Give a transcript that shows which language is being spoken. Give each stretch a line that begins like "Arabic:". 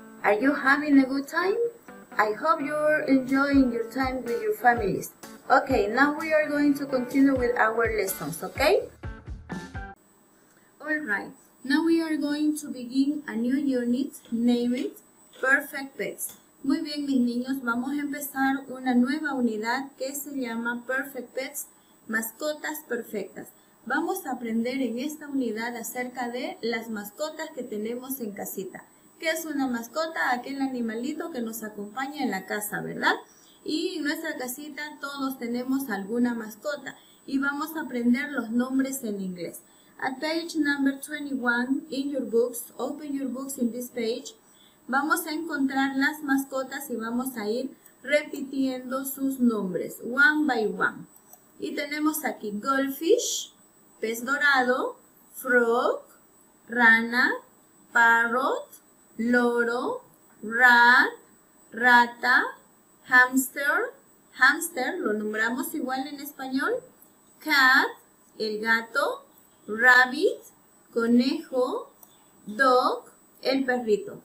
English: Are you having a good time? I hope you're enjoying your time with your families. Okay, now we are going to continue with our lessons, okay? Alright, now we are going to begin a new unit named Perfect Pets.
Spanish: Muy bien, mis niños, vamos a empezar una nueva unidad que se llama Perfect Pets, mascotas perfectas. Vamos a aprender en esta unidad acerca de las mascotas que tenemos en casita. ¿Qué es una mascota? Aquel animalito que nos acompaña en la casa, ¿verdad? Y en nuestra casita todos tenemos alguna mascota. Y vamos a aprender los nombres en inglés.
English: At page number 21 in your books, open your books in this page.
Spanish: Vamos a encontrar las mascotas y vamos a ir repitiendo sus nombres,
English: one by one.
Spanish: Y tenemos aquí goldfish, pez dorado, frog, rana, parrot, loro, rat, rata, hamster, lo nombramos igual en español, cat, el gato, rabbit, conejo, dog, el perrito.